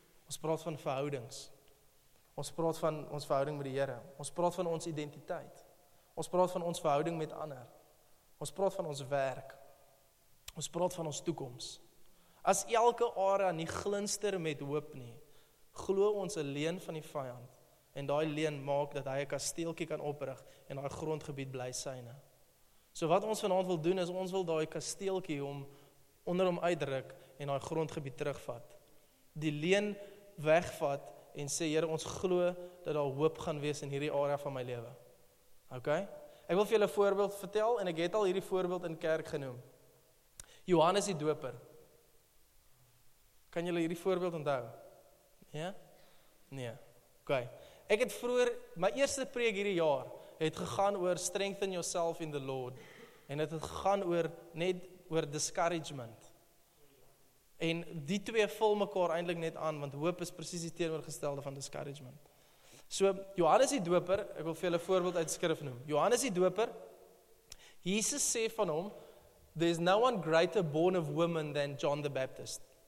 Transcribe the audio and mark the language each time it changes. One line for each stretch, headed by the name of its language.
Afrikaans: Ons praat van verhoudings. Ons praat van ons verhouding met die Here. Ons praat van ons identiteit. Ons praat van ons verhouding met ander. Ons praat van ons werk. Ons praat van ons toekoms. As elke area nie glinster met hoop nie, glo ons 'n leen van die vyand en daai leen maak dat hy 'n kasteeltjie kan oprig en daai grondgebied bly syne. So wat ons vanaand wil doen is ons wil daai kasteeltjie om onder hom uitdruk en daai grondgebied terugvat. Die leen wegvat en sê, Here, ons glo dat daar hoop gaan wees in hierdie area van my lewe. Okay? Ek wil vir julle 'n voorbeeld vertel en ek het al hierdie voorbeeld in kerk genoem. Johannes die Doper. Kan julle hierdie voorbeeld onthou? Ja? Nee. Okay. Ek het vroeër my eerste preek hierdie jaar het gegaan oor
English: strengthen yourself in the Lord
Afrikaans: en dit het gegaan oor net oor discouragement. En die twee vul mekaar eintlik net aan want hoop is presies die teenoorgestelde van discouragement. So Johannes die Doper, ek wil vir julle 'n voorbeeld uit Skrif noem. Johannes die Doper, Jesus sê van hom,
English: there's no one greater born of woman than John the Baptist.